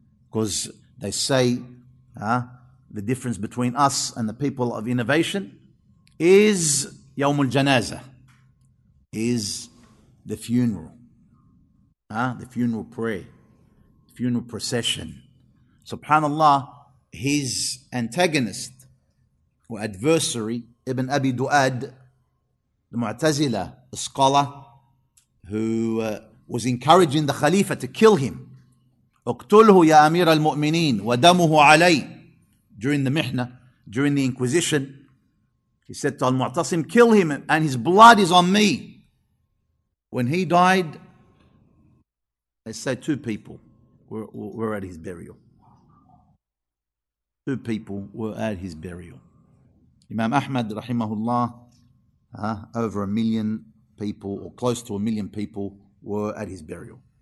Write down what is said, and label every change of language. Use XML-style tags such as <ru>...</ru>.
<en>Because they say the difference between us and the people of innovation is yawmul janazah, is the funeral, the funeral prayer, funeral procession. Subhanallah, his antagonist or adversary, Ibn Abi Duad, the Mu'tazila, the scholar who was encouraging the Khalifa to kill him</en> <ar>اقتله يا أمير المؤمنين ودمه علي.</ar> <en>During the mihna, during the inquisition, he said to Al-Mu'tasim, kill him and his blood is on me. When he died, they say two people were at his burial. Two people were at his burial. Imam Ahmad, rahimahullah, over a million people or close to a million people were at his burial.</en>